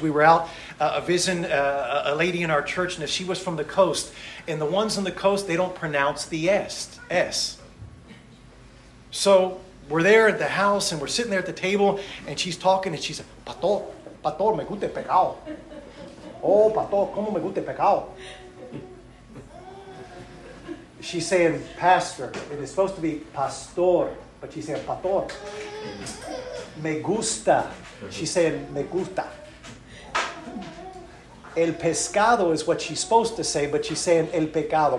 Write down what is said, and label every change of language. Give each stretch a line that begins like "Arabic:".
English: We were out visiting a lady in our church, and she was from the coast. And the ones on the coast, they don't pronounce the S. So we're there at the house, and we're sitting there at the table, and she's talking, and she said, Pastor,
Spanish: me gusta el pecado. Oh, Pastor, como me gusta el pecado.
English: She's saying, Pastor, it is supposed to be Pastor. But she said, Pastor,
Spanish: me gusta.
English: She said,
Spanish: me gusta. El pescado
English: is what she's supposed to say, but she's saying
Spanish: el pecado.